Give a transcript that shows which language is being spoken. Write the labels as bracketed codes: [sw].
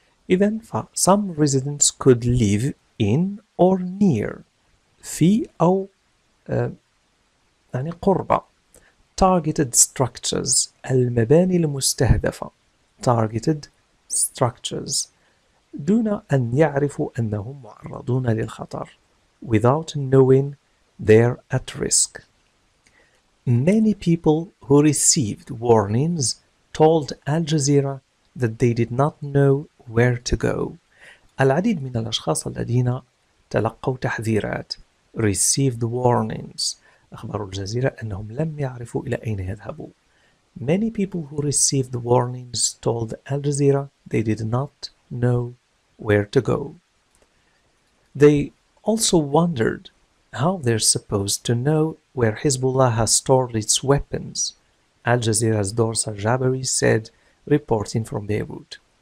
[ar] إذن ف [en] some residents could live in or near [ar] في أو يعني قرب [en] targeted structures [ar] المباني المستهدفة [en] targeted structures [ar] دون أن يعرفوا أنهم معرضون للخطر [en] without knowing they're at risk. Many people who received warnings told Al Jazeera that they did not know where to go. [ar] العديد من الأشخاص الذين تلقوا تحذيرات [en] received warnings [ar] أخبروا الجزيرة أنهم لم يعرفوا إلى أين يذهبوا. [en] Many people who received warnings told Al Jazeera they did not know where to go. They also wondered how they're supposed to know where Hezbollah has stored its weapons, Al Jazeera's Dorsa Jabari said, reporting from Beirut.